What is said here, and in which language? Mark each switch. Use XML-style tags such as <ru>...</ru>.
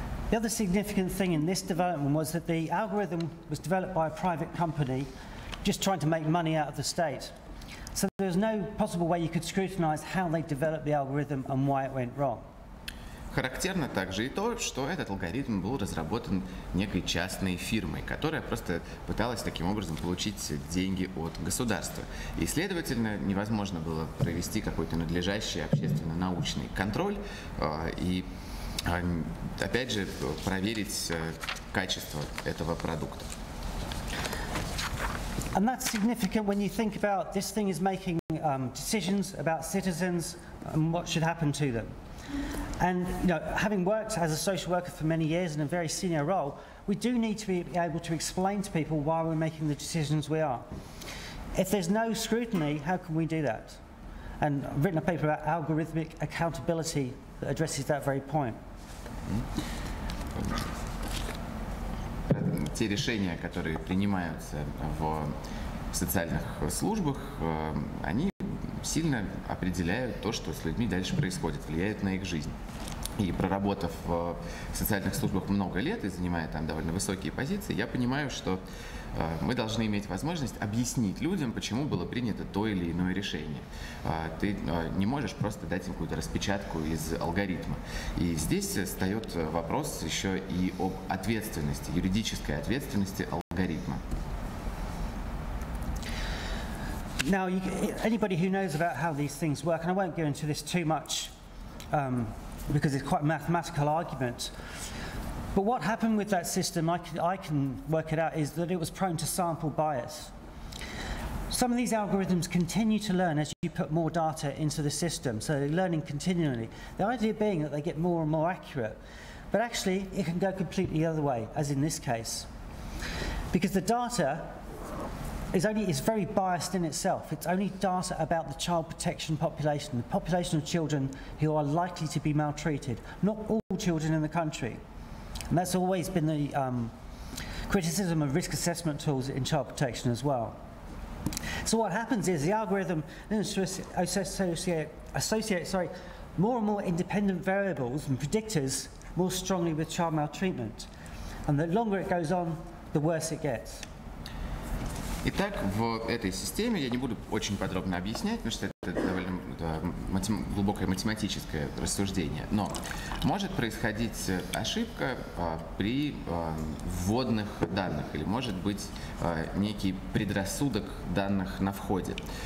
<en>The other significant thing in this development was that the algorithm was developed by a private company just trying to make money out of the state. So there was no possible way you could scrutinize how they developed the algorithm and why it went wrong.</en> <ru>Характерно также и то, что этот алгоритм был разработан некой частной фирмой, которая просто пыталась таким образом получить деньги от государства. И, следовательно, невозможно было провести какой-то надлежащий общественно-научный контроль и, опять же, проверить качество этого продукта.</ru> <en>And that's significant when you think about this thing is making decisions about citizens and what should happen to them. And you know, having worked as a social worker for many years in a very senior role, we do need to be able to explain to people why we're making the decisions we are. If there's no scrutiny, how can we do that? And I've written a paper about algorithmic accountability that addresses that very point.</en> <ru>Те решения, которые принимаются в социальных службах, они сильно определяют то, что с людьми дальше происходит, влияют на их жизнь. И проработав в социальных службах много лет и занимая там довольно высокие позиции, я понимаю, что мы должны иметь возможность объяснить людям, почему было принято то или иное решение. Ты не можешь просто дать им какую-то распечатку из алгоритма. И здесь встает вопрос еще и об ответственности, юридической ответственности алгоритма.</ru> <en>Now, anybody who knows about how these things work, and I won't go into this too much, because it's quite a mathematical argument. But what happened with that system, I can work it out, is that it was prone to sample bias. Some of these algorithms continue to learn as you put more data into the system, so they're learning continually. The idea being that they get more and more accurate. But actually, it can go completely the other way, as in this case. Because the data is very biased in itself. It's only data about the child protection population, the population of children who are likely to be maltreated, not all children in the country. And that's always been the criticism of risk assessment tools in child protection as well. So what happens is the algorithm associates more and more independent variables and predictors more strongly with child maltreatment. And the longer it goes on, the worse it gets.</en> <ru>Итак, в этой системе, я не буду очень подробно объяснять, потому что это довольно глубокое математическое рассуждение, но может происходить ошибка при вводных данных, или может быть некий предрассудок данных на входе.</ru>